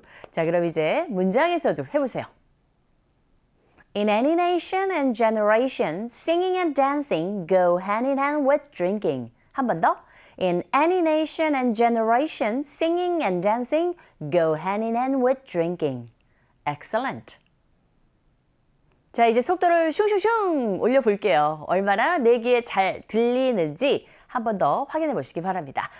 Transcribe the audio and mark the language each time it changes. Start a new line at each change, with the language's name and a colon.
Korean: 자, 그럼 이제 문장에서도 해보세요.
English: In any nation and generation, singing and dancing go hand in hand with drinking.
Korean: 한 번 더.
English: In any nation and generation, singing and dancing go hand in hand with drinking. Excellent.
Korean: 자, 이제 속도를 슝슝슝 올려볼게요. 얼마나 내기에 잘 들리는지 한 번 더 확인해 보시기 바랍니다.